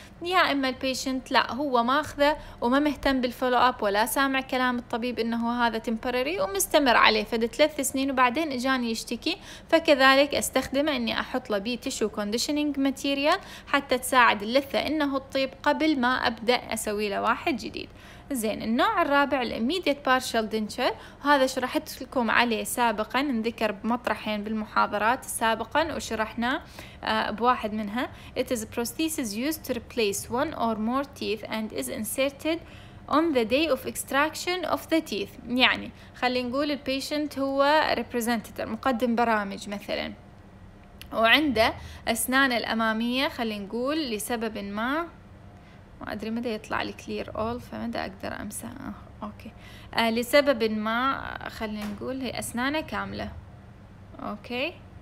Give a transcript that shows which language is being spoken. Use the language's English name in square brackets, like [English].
[Arabic] يا اما البيشنت لا هو ماخذه وما مهتم بالفولو اب ولا سامع كلام الطبيب انه هذا تمبرري ومستمر عليه فد 3 سنين وبعدين اجاني يشتكي، فكذلك استخدمه اني احط له بيه تشو كونديشنينج ماتيريال حتى تساعد اللثه انه تطيب قبل ما ابدا اسوي له واحد جديد. زين النوع الرابع الاميديت بارشل دنشر، وهذا شرحت لكم عليه سابقا، نذكر بمطرحين بالمحاضرات سابقا وشرحناه بواحد منها. [English] It is a prosthesis used to replace one or more teeth and is inserted on the day of extraction of the teeth. [Arabic] يعني خلينا نقول البيشنت هو representative مقدم برامج مثلا، وعنده أسنان الأمامية خلينا نقول لسبب ما، ما أدري مدى يطلع الكلير أول فمدى أقدر أمسى أوكي لسبب ما خلينا نقول هي أسنانه كاملة أوكي،